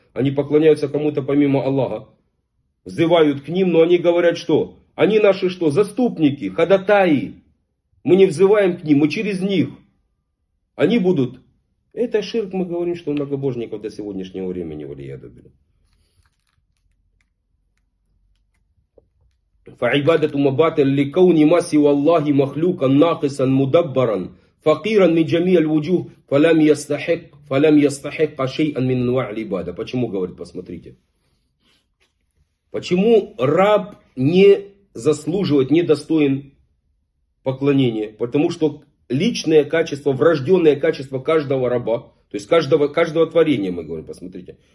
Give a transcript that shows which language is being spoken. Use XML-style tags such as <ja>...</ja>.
<ru>Они поклоняются кому-то помимо Аллаха. Взывают к ним, но они говорят что? Они наши что? Заступники, ходатаи. Мы не взываем к ним, мы через них. Они будут. Это ширк, мы говорим, что многобожников до сегодняшнего времени влияют. Да.</ru> <ar>فعبادة مباطل لكون ما سوى الله مخلوقا ناقصا مدبرا فقيرا من جميع الوجوه فلم يستحق شيئا من انواع العبادة.</ar> <ru>Почему говорит, посмотрите. Почему раб не заслуживает, не достоин поклонения? Потому что личное качество, врожденное качество каждого раба, то есть каждого творения, мы говорим, посмотрите.</ru>